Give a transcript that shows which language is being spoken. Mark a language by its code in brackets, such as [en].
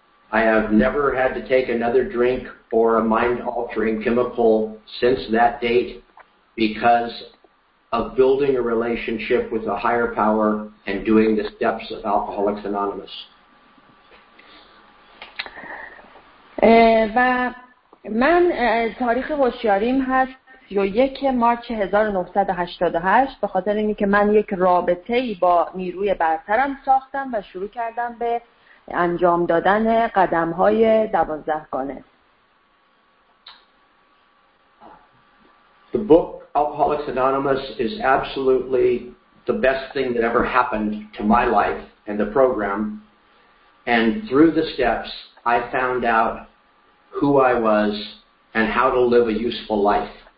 [en] I have never had to take another drink or a mind-altering chemical since that date because of building a relationship with a higher power and doing the steps of Alcoholics Anonymous. [fa] و من تاریخ هوشیاریم هست 31 مارس 1988 به خاطر اینکه من یک رابطه‌ای با نیروی برترم ساختم و شروع کردم به انجام دادن قدم‌های 12 گانه. [en] The book Alcoholics Anonymous is absolutely the best thing that ever happened to my life and the program. And through the steps, I found out who I was and how to live a useful life.